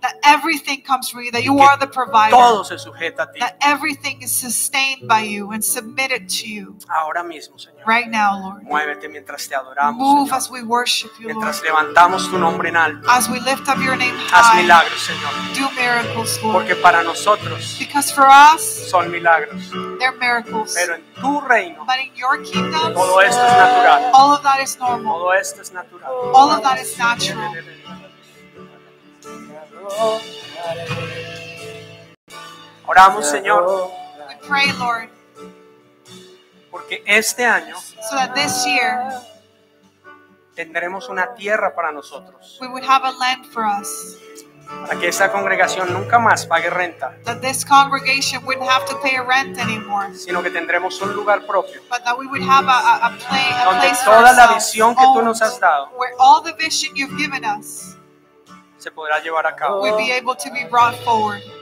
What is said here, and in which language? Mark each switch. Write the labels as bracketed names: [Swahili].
[English] That everything comes from you. That you are the provider. [Spanish] Todo se sujeta a ti. [English] That everything is sustained by you and submitted to you. [Spanish] Ahora mismo, Señor. [English] Right now, Lord. [Spanish] Muévete mientras te adoramos, [English] move [Spanish] Señor. [English] As we worship you, [Spanish] mientras [English] Lord. [Spanish] Levantamos tu nombre en alto. [English] As we lift up your name high. [Spanish] Haz milagros, Señor. [English] Do miracles, Lord. [Spanish] Porque para nosotros. [English] Because for us. [Spanish] Son milagros. [English] They're miracles. [Spanish] Pero en tu reino, [English] but in your kingdom, [Spanish] todo esto es natural. [English] All of that is normal. [Spanish] Todo esto es natural. [English] All of that is natural. [Spanish] Oramos, Señor. [English] pray, Lord. [Spanish] Porque este año, [English] so that this year, [Spanish] tendremos una tierra para nosotros. [English] We would have a land for us. [Spanish] Para que esta congregación nunca más pague renta. [English] That this congregation wouldn't have to pay a rent anymore. [Spanish] Sino que tendremos un lugar propio. [English] But that we would have a place [Spanish] donde toda la visión que tú nos has dado, [English] where all the vision you've given us, [Spanish] se podrá llevar a cabo. [English] We'll be able to be brought forward.